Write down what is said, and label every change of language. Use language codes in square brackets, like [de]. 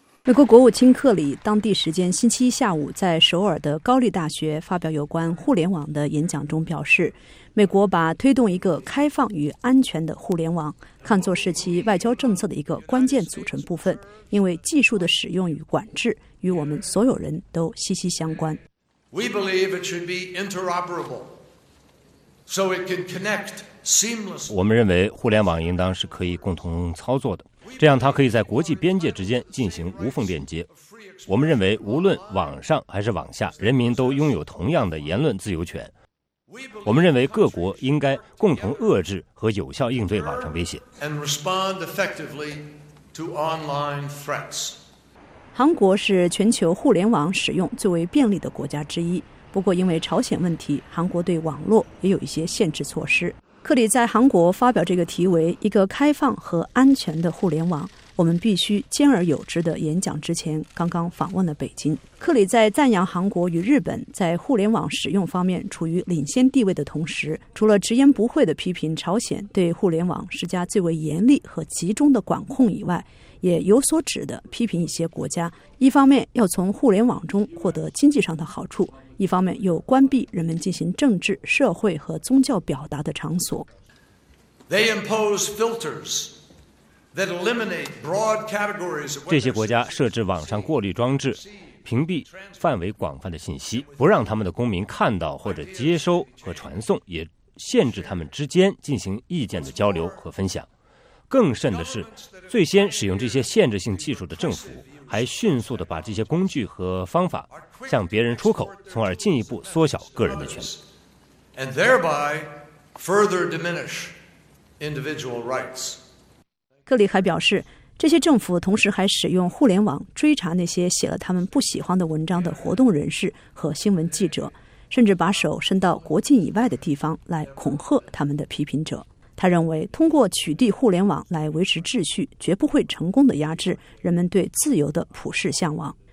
[zh] 美国国务卿克里当地时间星期一下午在首尔的高丽大学发表有关互联网的演讲中表示，美国把推动一个开放与安全的互联网看作是其外交政策的一个关键组成部分，因为技术的使用与管制与我们所有人都息息相关。 [en] We believe it should be interoperable so it can connect seamlessly. [zh] 我们认为互联网应当是可以共同操作的，这样它可以在国际边界之间进行无缝链接。我们认为无论网上还是网下，人民都拥有同样的言论自由权。我们认为各国应该共同遏制和有效应对网上威胁。韩国是全球互联网使用最为便利的国家之一，不过因为朝鲜问题，韩国对网络也有一些限制措施。克里在韩国发表这个题为一个开放和安全的互联网，我们必须兼而有之的演讲之前刚刚访问了北京。克里在赞扬韩国与日本在互联网使用方面处于领先地位的同时，除了直言不讳地批评朝鲜对互联网施加最为严厉和集中的管控以外，也有所指地批评一些国家，一方面要从互联网中获得经济上的好处，一方面又关闭人们进行政治、社会和宗教表达的场所。 [en] They impose filters that eliminate broad categories. [zh] 这些国家设置网上过滤装置，屏蔽范围广泛的信息，不让他们的公民看到或者接收和传送，也限制他们之间进行意见的交流和分享。更甚的是，最先使用这些限制性技术的政府还迅速地把这些工具和方法向别人出口，从而进一步缩小个人的权利。 [en] And thereby further diminish individual rights. [zh] 克里还表示，这些政府同时还使用互联网追查那些写了他们不喜欢的文章的活动人士和新闻记者，甚至把手伸到国境以外的地方来恐吓他们的批评者。他认为，通过取缔互联网来维持秩序，绝不会成功地压制人们对自由的普世向往。